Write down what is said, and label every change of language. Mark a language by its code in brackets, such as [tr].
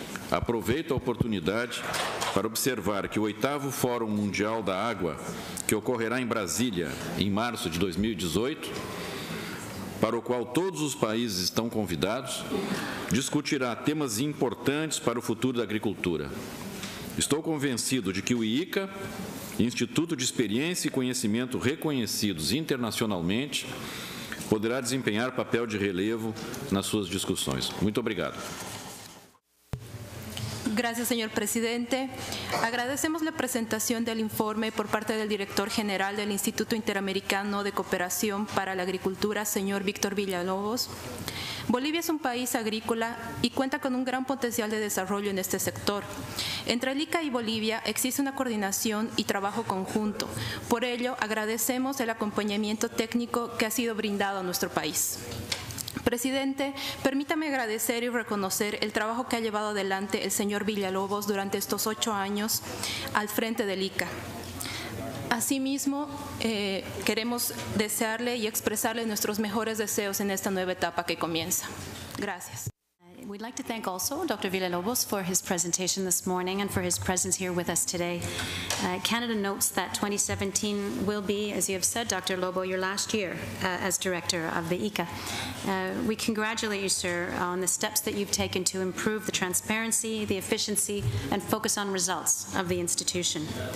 [pt] Aproveito a oportunidade para observar que o 8º Fórum Mundial da Água, que ocorrerá em Brasília em março de 2018, para o qual todos os países estão convidados, discutirá temas importantes para o futuro da agricultura. Estou convencido de que o IICA, Instituto de Experiência e Conhecimento reconhecidos internacionalmente, poderá desempenhar papel de relevo nas suas discussões. Muito obrigado. [es] Gracias, señor presidente. Agradecemos la presentación del informe por parte del director general del Instituto Interamericano de Cooperación para la Agricultura, señor Víctor Villalobos. Bolivia es un país agrícola y cuenta con un gran potencial de desarrollo en este sector. Entre el ICA y Bolivia existe una coordinación y trabajo conjunto. Por ello, agradecemos el acompañamiento técnico que ha sido brindado a nuestro país. Presidente, permítame agradecer y reconocer el trabajo que ha llevado adelante el señor Villalobos durante estos 8 años al frente del ICA. Asimismo, queremos desearle y expresarle nuestros mejores deseos en esta nueva etapa que comienza. Gracias. [en] We'd like to thank also Dr. Villalobos for his presentation this morning and for his presence here with us today. Canada notes that 2017 will be, as you have said, Dr. Lobo, your last year as director of the ICA. We congratulate you, sir, on the steps that you've taken to improve the transparency, the efficiency, and focus on results of the institution.